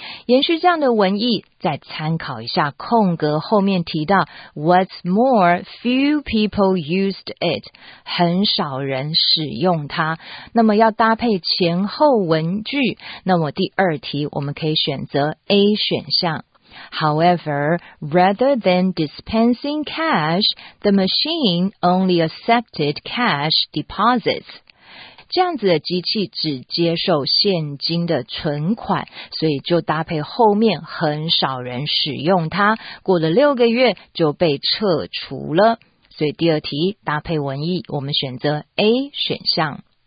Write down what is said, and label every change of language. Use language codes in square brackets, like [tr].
[zh] 延续这样的文意，再参考一下空格后面提到 [en] What's more, few people used it， [zh] 很少人使用它。那么要搭配前后文句，那么第二题我们可以选择 A 选项。 [en] However, rather than dispensing cash, the machine only accepted cash deposits. [zh] 这样子的机器只接受现金的存款，所以就搭配后面很少人使用它，过了六个月就被撤除了。所以第二题搭配文意，我们选择 A 选项。